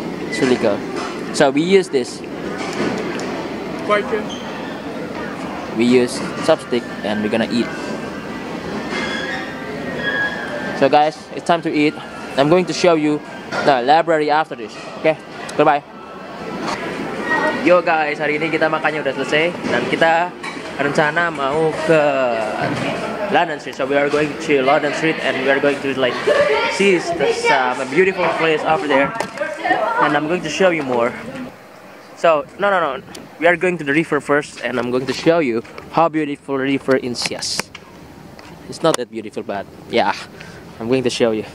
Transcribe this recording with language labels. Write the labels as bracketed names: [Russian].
[English] It's really good. So we use this. Chicken. We use chopstick and we're gonna eat. So guys, it's time to eat. I'm going to show you the library after this, okay? Goodbye. [Indonesian] Yo guys, hari ini kita makannya udah selesai dan kita rencana mau ke London Street. [English] So we are going to London Street and we are going to like see some beautiful place over there. And I'm going to show you more. So no. We are going to the river first and I'm going to show you how beautiful the river in Sias. It's not that beautiful, but yeah. I'm going to show you.